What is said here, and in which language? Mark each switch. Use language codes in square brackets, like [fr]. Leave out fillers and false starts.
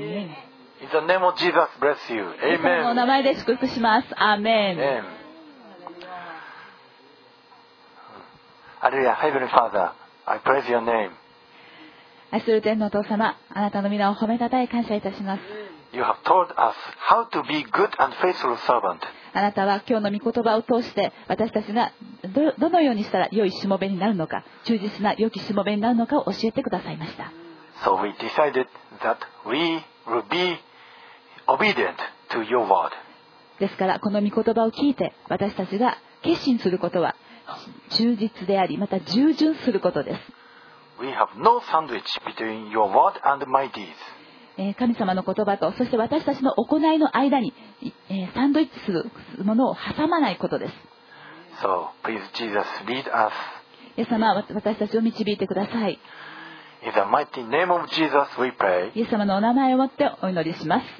[en] In the name of Jesus, bless you. Amen. [ja] イエスの名前で祝福します。アーメン。 [en] アレルヤ、Heavenly Father, I praise your name. [ja] 愛する天のお父様、あなたの皆を褒めたたえ感謝いたします。 [en] You have told us how to be good and faithful servant. [ja] あなたは今日の御言葉を通して、私たちが どのようにしたら良いしもべになるのか、忠実な良きしもべになるのかを教えてくださいました。 [en] So we decided that we will be obedient to your word. [ja] ですから、この御言葉を聞いて、私たちが決心することは、忠実であり、また従順することです。 [en] We have no sandwich between your word and my deeds. [ja] 神様の言葉と、そして私たちの行いの間に、サンドイッチするものを挟まないことです。 [en] So, please, Jesus, lead us. [ja] イエス様、私たちを導いてください。 [en] In the mighty name of Jesus, we pray. [ja] イエス様のお名前をもってお祈りします。